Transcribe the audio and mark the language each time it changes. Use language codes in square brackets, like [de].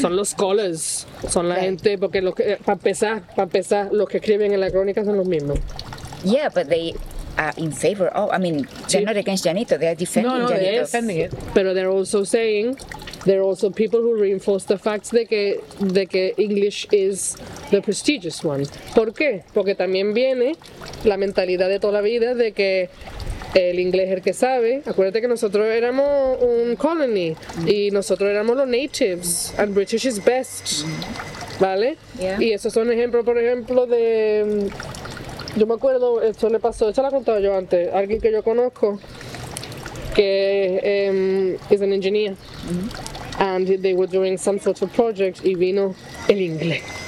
[es] Son los scholars, son la right gente, porque los que, para empezar, los que escriben en la crónica son los mismos. [en] Yeah, but they are in favor. Oh, I mean, they're not against Janito, they are defending Janito. No, they're defending it. [es] Pero [en] they're also saying, there are also people who reinforce the fact [es] de que [en] English is the prestigious one. [es] ¿Por qué? Porque también viene la mentalidad de toda la vida de que el inglés es el que sabe. Acuérdate que nosotros éramos un colony, y nosotros éramos los natives, [en] and British is best, [es] ¿vale? [en] Yeah. [es] Y esos son ejemplos, por ejemplo, de... Yo me acuerdo, esto le pasó, esto lo he contado yo antes, alguien que yo conozco, que [en] is an engineer, and they were doing some sort of project, [es] y vino el inglés.